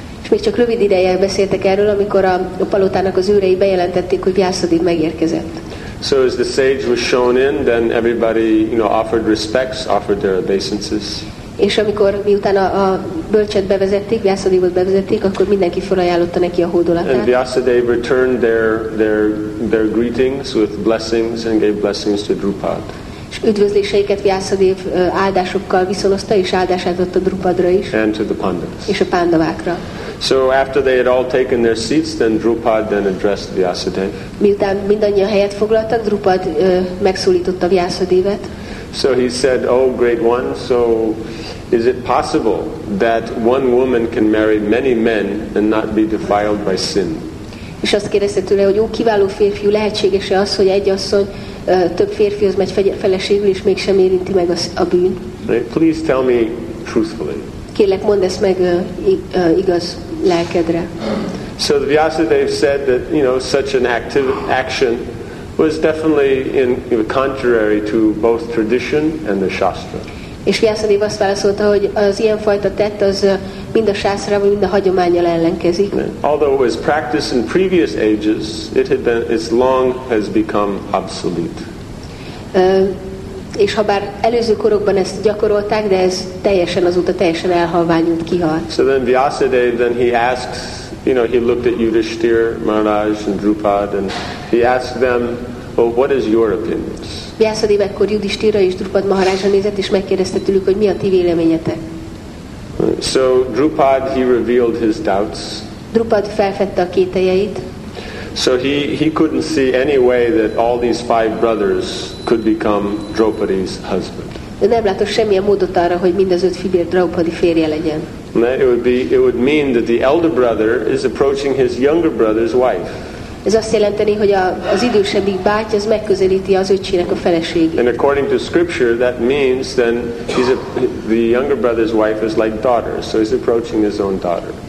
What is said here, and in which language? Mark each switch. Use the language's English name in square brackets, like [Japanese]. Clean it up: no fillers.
[Hungarian] Még csak rövid ideje beszéltek erről, amikor a palotának az őrei bejelentették, hogy Vyasadeva megérkezett. [English] So as the sage was shown in, then everybody, you know, offered respects, offered their obeisances. [Hungarian] És amikor miután a bölcset bevezették, Vyasadevát bevezették, akkor mindenki felajánlotta neki a hódolatát. [English] And Vyasadeva returned their greetings with blessings and gave blessings to Drupad. [Hungarian] És üdvözléseiket Vyasadev áldásokkal viszonozta, és áldását adott a Drupadra is. [English] And to the Pandavas. [Hungarian] És a Pandavákra. [English] So after they had all taken their seats, then Drupad then addressed Vyasadev. [Hungarian] Miután mindannyian helyet foglaltak, Drupad megszólította Vyasadevet. [English] So he said, "Oh, great one, so is it possible that one woman can marry many men and not be defiled by sin?" [Hungarian] És azt kérdezte tőle, hogy ó, kiváló férfiú, lehetséges-e az, hogy egy asszony több férfihoz megy feleségül, és mégsem érinti meg a bűn? [English] Please tell me truthfully. [Hungarian] Kérlek, mondd ezt meg igaz lelkedre. [English] So the Vyasadeva said that, you know, such an active action was definitely in, you know, contrary to both tradition and the shastra. [Hungarian] És Vyasadeva azt válaszolta, hogy az ilyen fajta tett az mind a sászrával, mind a hagyománnyal ellenkezik. [English] Although it was practiced in previous ages, it had been, its long has become obsolete. [Hungarian] És habár előző korokban ezt gyakorolták, de ez teljesen azóta teljesen elhalványult, kihalt. [English] So then Vyasadeva, then he asks, you know, he looked at Yudhishthira, Maharaj and Drupad, and he asked them, "Well, what is your opinion?" [Hungarian] Vyasadeva ekkor Yudhishthira és Drupad Maharajra nézett, és megkérdezte tőlük, hogy mi a ti véleményetek. [English] So Drupad, he revealed his doubts. [Hungarian] Drupad felfedte a kételyeit. [English] So he couldn't see any way that all these five brothers could become Draupadi's husband. [Hungarian] De nem látott semmilyen módot arra, hogy mind az öt fivér Draupadi férje legyen. [English] It would mean that the elder brother is approaching his younger brother's wife. [Hungarian] Ez azt jelenteni, hogy az idősebbik báty az megközelíti az öcsének a feleségét. [English] And according to scripture, that means then the younger brother's wife is like daughter, so he's approaching his own daughter.